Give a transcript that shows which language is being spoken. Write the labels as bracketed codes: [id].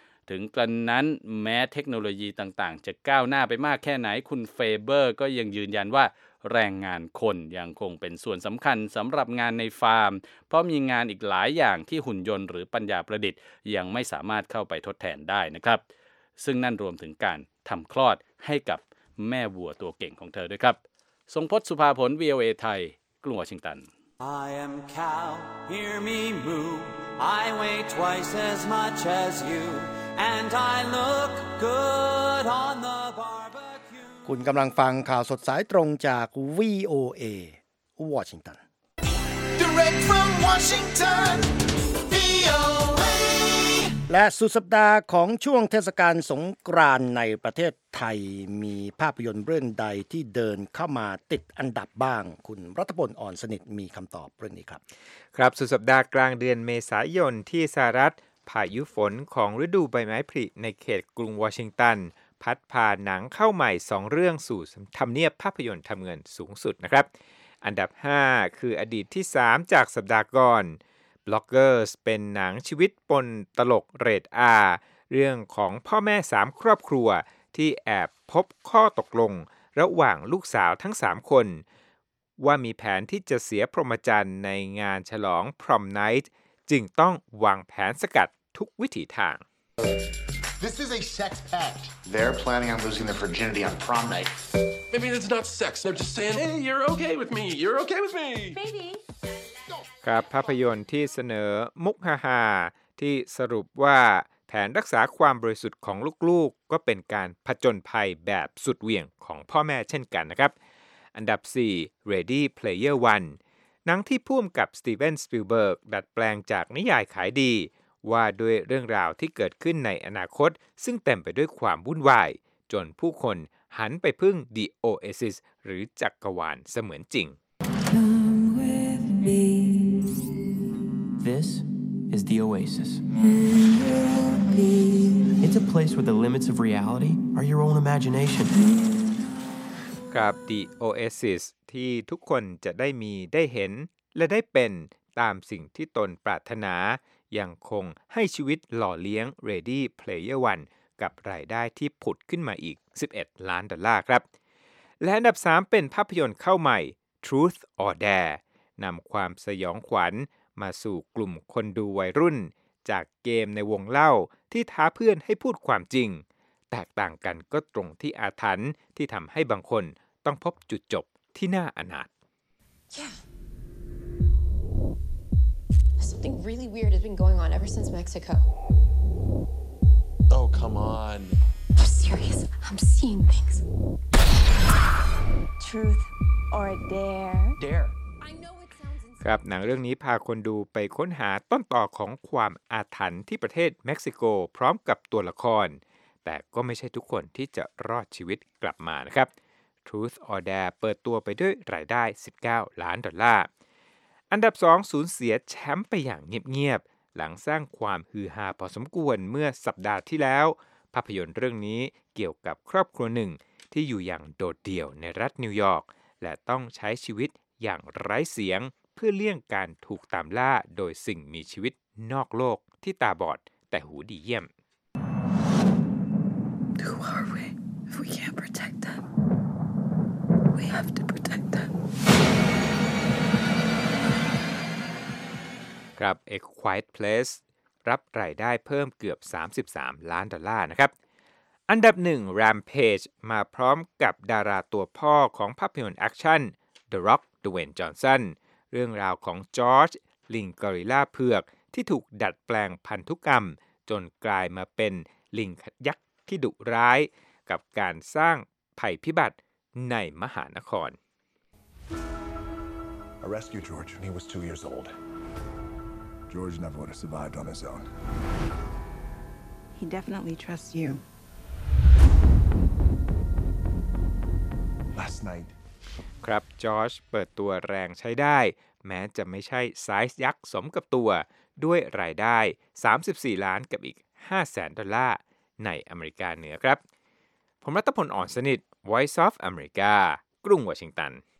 [th] ถึงกระนั้นแม้เทคโนโลยีต่างๆจะก้าวหน้าไปมากแค่ไหนคุณเฟเบอร์ก็ยังยืนยันว่าแรงงานคนยังคงเป็นส่วนสำคัญสำหรับงานในฟาร์มเพราะมีงานอีกหลายอย่างที่หุ่นยนต์หรือปัญญาประดิษฐ์ยังไม่สามารถเข้าไปทดแทนได้นะครับซึ่งนั่นรวมถึงการทำคลอดให้กับแม่วัวตัวเก่งของเธอด้วยครับทรงพจน์สุภาผล VOA ไทยกรุงวอชิงตัน [en] I am cow, hear me moo. I weigh twice as much as you, and I look good on the barbecue. [th] คุณกำลังฟังข่าวสดสายตรงจาก VOA Washington. [en] Direct from Washington, VOA. [th] และสุดสัปดาห์ของช่วงเทศกาลสงกรานต์ในประเทศไทยมีภาพยนตร์เรื่องใดที่เดินเข้ามาติดอันดับบ้างคุณรัฐพลอ่อนสนิทมีคำตอบเรื่องนี้ครับ ครับสุดสัปดาห์กลางเดือนเมษายนที่สหรัฐพายุฝนของฤดูใบไม้ผลิในเขตกรุงวอชิงตันพัดพาหนังเข้าใหม่2เรื่องสู่ทำเนียบภาพยนตร์ทำเงินสูงสุดนะครับอันดับ5คืออดีตที่3จากสัปดาห์ก่อน Bloggers เป็นหนังชีวิตปนตลกเรท R เรื่องของพ่อแม่3ครอบครัวที่แอบพบข้อตกลงระหว่างลูกสาวทั้ง3คนว่ามีแผนที่จะเสียพรหมจรรย์ในงานฉลองพรอมไนท์จึงต้องวางแผนสกัดทุกวิถีทาง [en] This is a sex pact. They're planning on losing their virginity on prom night. Maybe it's not sex. They're just saying, "Hey, you're okay with me. You're okay with me." Maybe. [th] ครับภาพยนตร์ที่เสนอมุกฮาฮาที่สรุปว่าแผนรักษาความบริสุทธิ์ของลูกๆก็เป็นการผจญภัยแบบสุดเหวี่ยงของพ่อแม่เช่นกันนะครับ อันดับ4 Ready Player One หนังที่พุ่มกับสตีเวนสปิลเบิร์กดัดแปลงจากนิยายขายดีว่าด้วยเรื่องราวที่เกิดขึ้นในอนาคตซึ่งเต็มไปด้วยความวุ่นวายจนผู้คนหันไปพึ่ง The Oasis หรือจักรวาลเสมือนจริง [en] This is the Oasis. It's a place where the limits of reality are your own imagination. [th] กับ The Oasis ที่ทุกคนจะได้มีได้เห็นและได้เป็น ตามสิ่งที่ตนปรารถนายังคงให้ชีวิตหล่อเลี้ยง Ready Player One กับรายได้ที่ผุดขึ้นมาอีก11ล้านดอลลาร์ครับและอันดับ3เป็นภาพยนตร์เข้าใหม่ Truth or Dare นำความสยองขวัญมาสู่กลุ่มคนดูวัยรุ่นจากเกมในวงเล่าที่ท้าเพื่อนให้พูดความจริงแตกต่างกันก็ตรงที่อาถรรพ์ที่ทำให้บางคนต้องพบจุดจบที่น่าอนาถ [en] Yeah. Something really weird has been going on ever since Mexico. Oh, come on. I'm serious. I'm seeing things. Truth or dare? Dare. [th] ครับหนังเรื่องนี้พาคนดูไปค้นหาต้นต่อของความอาถรรพ์ที่ประเทศเม็กซิโกพร้อมกับตัวละครแต่ก็ไม่ใช่ทุกคนที่จะรอดชีวิตกลับมานะครับ Truth or Dare เปิดตัวไปด้วยรายได้19ล้านดอลลาร์ อันดับ2สูญเสียแชมป์ไปอย่างเงียบๆหลังสร้างความฮือฮาพอสมควรเมื่อสัปดาห์ที่แล้วภาพยนตร์เรื่องนี้เกี่ยวกับครอบครัวหนึ่งที่อยู่อย่างโดดเดี่ยวในรัฐนิวยอร์กและต้องใช้ชีวิตอย่างไร้เสียงเพื่อเลี่ยงการถูกตามล่าโดยสิ่งมีชีวิตนอกโลกที่ตาบอดแต่หูดีเยี่ยม [en] Who are we if we can't protect them? We have to protect them. [th] ครับ A Quiet Place รับรายได้เพิ่มเกือบ33ล้านดอลลาร์นะครับอันดับ1 Rampage มาพร้อมกับดาราตัวพ่อของภาพยนตร์แอคชั่น The Rock Dwayne Johnsonเรื่องราวของจอร์จลิงกอริลลาเผือกที่ถูกดัดแปลงพันธุกรรมจนกลายมาเป็นลิงยักษ์ที่ดุร้ายกับการสร้างภัยพิบัติในมหานคร [en] I rescued George when he was 2 years old. George never would have survived on his own. He definitely trusts you. Last night [th] ครับจอร์จเปิดตัวแรงใช้ได้แม้จะไม่ใช่ไซส์ยักษ์สมกับตัวด้วยรายได้34ล้านกับอีก 500,000 ดอลลาร์ในอเมริกาเหนือครับผมรัตพลอ่อนสนิท Voice of America กรุงวอชิงตัน